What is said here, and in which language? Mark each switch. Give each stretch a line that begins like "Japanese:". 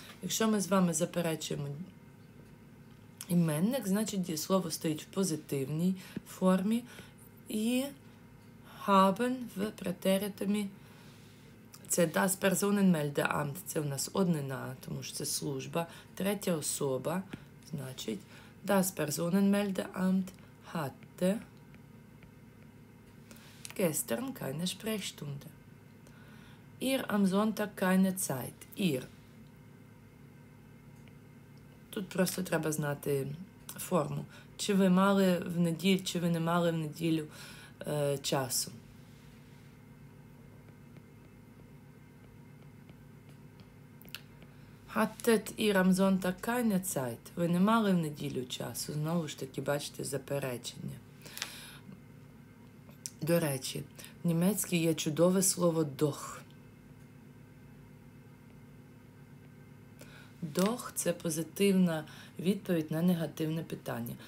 Ukrainian: Якщо ми з вами заперечуємо іменник, значить дієслово стоїть в позитивній формі і haben в претеритумі. Це das Personenmeldeamt, це у нас однина, тому що це служба. Третя особа, значить,
German: das Personenmeldeamt hatte gestern keine Sprechstunde. Ihr am Sonntag keine Zeit. Ihr.
Ukrainian: Тут просто треба знати форму. Чи ви мали в неділю, чи ви не мали в неділю часу.
German: Hattet ihr am Sonntag keine Zeit?
Ukrainian: Ви не мали в неділю часу? Знову ж таки, бачите, заперечення. До речі, в німецькій є чудове слово doch. Doch – це позитивна відповідь на негативне питання.